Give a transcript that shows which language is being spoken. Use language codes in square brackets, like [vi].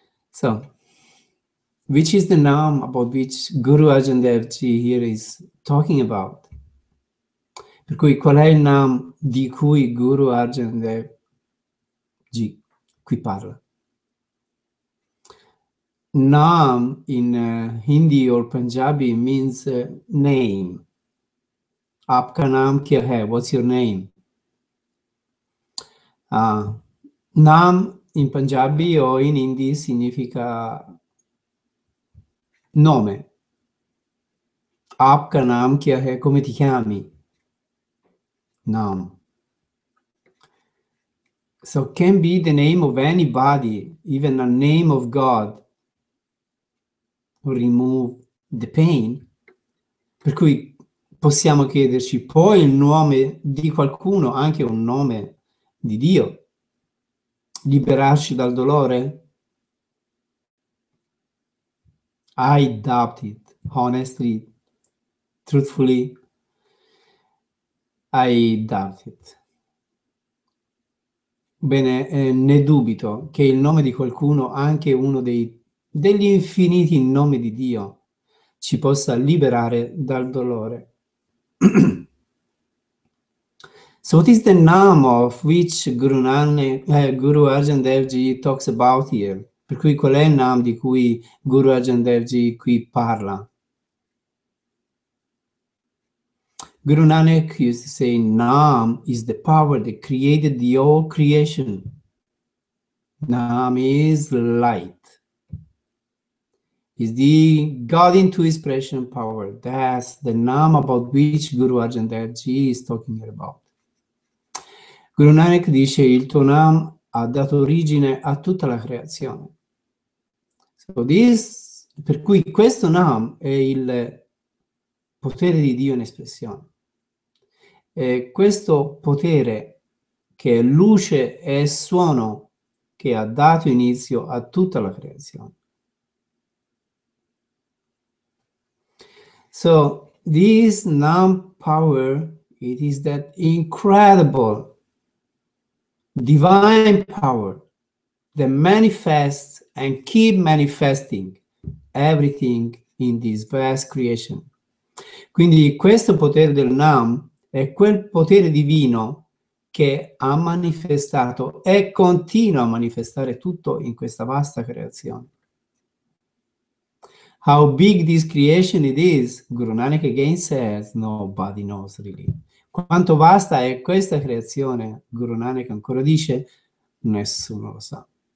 [en] So, which is the name about which Guru Arjan Dev Ji here is talking about? [it] Per cui qual è il nome di cui Guru Arjan Dev Ji qui parla? [en] Nam in Hindi or Punjabi means name. [hi] Aapka naam kya hai? [en] What's your name? [it] Nam in Punjabi o in Hindi significa nome. [hi] Aapka naam kya hai? [it] Come ti chiami? [hi] Nam. [en] So can be the name of anybody, even a name of God, remove the pain. [it] Per cui possiamo chiederci poi il nome di qualcuno, anche un nome di Dio, liberarci dal dolore. [en] I doubt it, honestly, truthfully. I doubt it. [it] Bene, ne dubito che il nome di qualcuno, anche uno degli infiniti nomi di Dio, ci possa liberare dal dolore. [en] So what is the name of which Guru Arjan Dev Ji talks about here? [it] Per cui qual è il nome di cui Guru Arjan Dev Ji qui parla? [en] Guru Nanak used to say, Nam is the power that created the all creation. Nam is light. Is the God into expression power. That's the Nam about which Guru Arjan Dev Ji is talking about. [it] Guru Nanak dice, il tuo Nam ha dato origine a tutta la creazione. [en] So this, [it] per cui questo Nam è il potere di Dio in espressione. Questo potere che è luce e suono che ha dato inizio a tutta la creazione. [en] So, this Nam power, it is that incredible divine power that manifests and keep manifesting everything in this vast creation. [it] Quindi questo potere del Nam è quel potere divino che ha manifestato e continua a manifestare tutto in questa vasta creazione. [en] How big this creation it is, Guru Nanak again says, nobody knows really. [it] Quanto vasta è questa creazione, Guru Nanak ancora dice, nessuno lo sa.